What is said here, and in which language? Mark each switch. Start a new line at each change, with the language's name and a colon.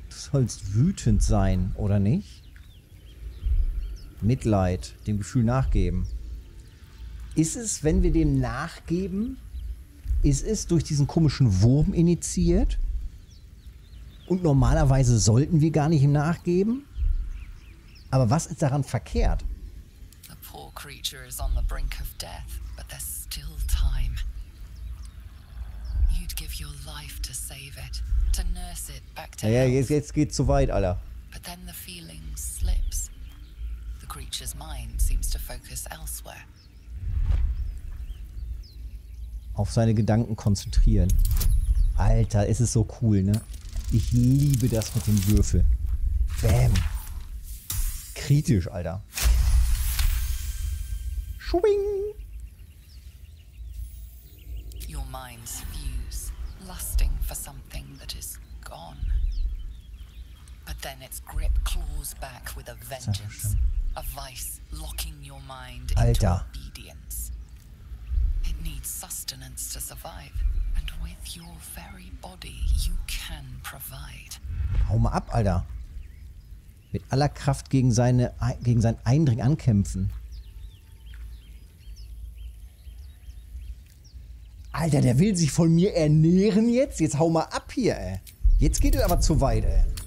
German: Du sollst wütend sein, oder nicht? Mitleid, dem Gefühl nachgeben. Ist es, wenn wir dem nachgeben, ist es durch diesen komischen Wurm initiiert? Und normalerweise sollten wir gar nicht ihm nachgeben? Aber was ist daran verkehrt?
English: The poor creature is on the brink of death, but there's still time. You'd give your life to save it. To nurse it back to health.
German: Ja, jetzt geht's zu weit, Alter.
English: But then the feeling slips. The creature's mind seems to focus elsewhere.
German: Auf seine Gedanken konzentrieren. Alter, ist es so cool, ne? Ich liebe das mit dem Würfel. Bam. Kritisch, Alter. Schwing.
English: Your mind's views, lusting for something that is gone. But then its grip claws back with a vengeance. A vice locking your mind into obedience. It needs sustenance to survive. And with your very body you can provide.
German: Hau mal ab, Alter. Mit aller Kraft gegen sein Eindringen ankämpfen. Alter, der will sich von mir ernähren jetzt? Jetzt hau mal ab hier, ey. Jetzt geht er aber zu weit, ey.